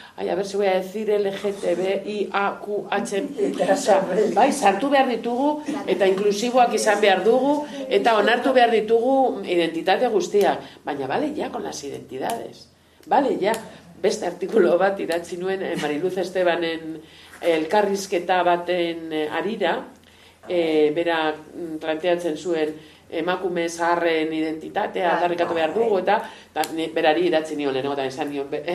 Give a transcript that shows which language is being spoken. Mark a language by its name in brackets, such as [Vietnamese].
[Spanish] Ai, a ber, si voy a decir LGTBIAQHM. [Basque] Bai, sartu behar ditugu, eta inklusiboak izan behar dugu, eta onartu behar ditugu identitate guztiak. Baina, bale, ja, [Spanish] con las identidades. [Basque] Bale, ja, beste artikulo bat idatzi nuen, Mariluz Estebanen elkarrizketa baten arira, bera planteatzen zuen, emakume zaharren identitatea aldarrikatu behar dugu, eta berari idatzi nion lehenengo eta esan nion